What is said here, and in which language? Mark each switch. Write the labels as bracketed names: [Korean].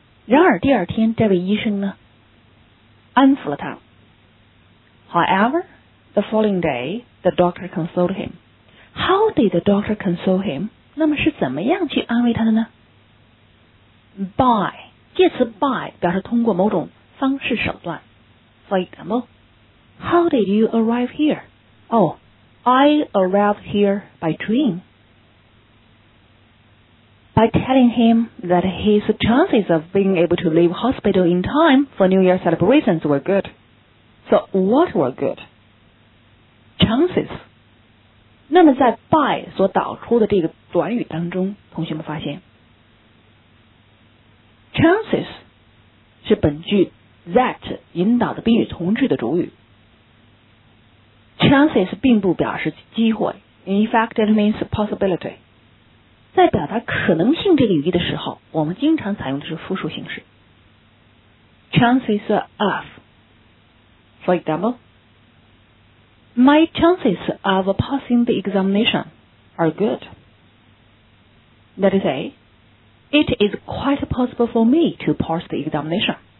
[Chinese] 然而第二天这位医生呢安抚了他。 [English] However, the following day, the doctor consoled him. How did the doctor console him? [Chinese] 那么是怎么样去安慰他的呢? By, 介词 by 表示通过某种方式手段。 [English] For example, how did you arrive here? Oh, I arrived here by train. By telling him that his chances of being able to leave hospital in time for New Year celebrations were good. So, what were good? [Chinese] Chances. 那么在 by 所导出的这个短语当中，同学们发现 Chances 是本句 that 引导的宾语从句的主语。 [English] Chances [Chinese] 并不表示机会。 [English] In fact, it means possibility. [Chinese] 在表达可能性这个语义的时候，我们经常采用的是复数形式。 [English] Chances of. For example, my chances of passing the examination are good. That is a, it is quite possible for me to pass the examination.